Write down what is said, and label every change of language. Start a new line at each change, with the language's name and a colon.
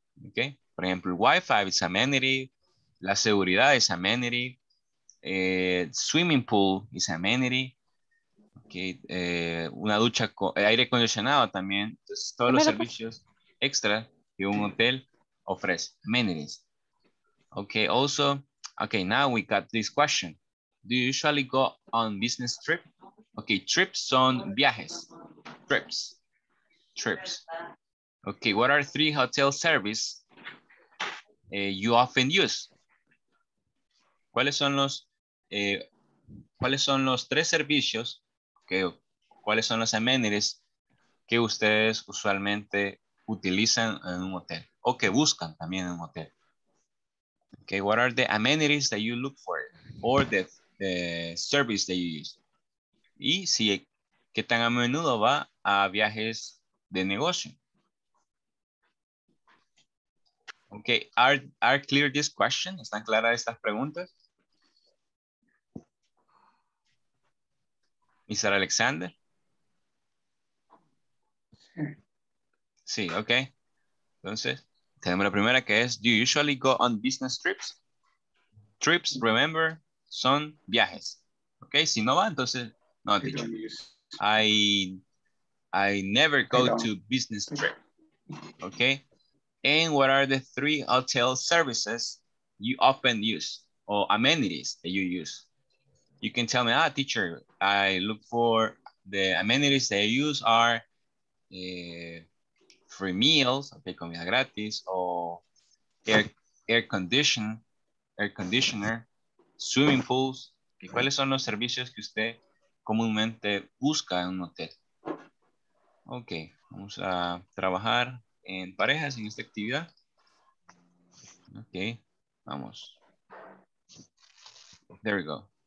English: Okay?
Spanish: Por ejemplo,
English: Wi-Fi is amenity,
Spanish: la seguridad es
English: amenity, swimming pool is amenity, okay?
Spanish: Una ducha, aire acondicionado también, entonces todos los servicios extra que un hotel ofrece, amenities.
English: Okay, also, okay, now we got this question. Do you usually go on business trip?
Spanish: Okay, trips son viajes. Trips.
English: Okay, what are three hotel services you often use?
Spanish: ¿Cuáles son los tres servicios? Okay, ¿cuáles son los amenities que ustedes usualmente utilizan en un hotel? O que buscan también en un hotel.
English: Okay, what are the amenities that you look for? Or the service that you use.
Spanish: Y si, ¿qué tan a menudo va a viajes de negocio?
English: Okay, are clear this question?
Spanish: ¿Están claras estas preguntas?
English: Mr. Alexander?
Spanish: Sí. Sí, okay. Entonces, tenemos la primera que es,
English: do you usually go on business trips?
Spanish: Trips, remember, son viajes. Ok, si no va, entonces no.
English: I never go to business trip. Ok. And what are the three hotel services you often use or amenities that you use? You can tell me, ah, teacher, I look for the amenities they use are free meals, okay,
Spanish: comida gratis,
English: or air conditioner. Swimming pools.
Spanish: ¿Y cuáles son los servicios que usted comúnmente busca en un hotel? Ok, vamos a trabajar en parejas en esta actividad. Ok, vamos.
English: There we go.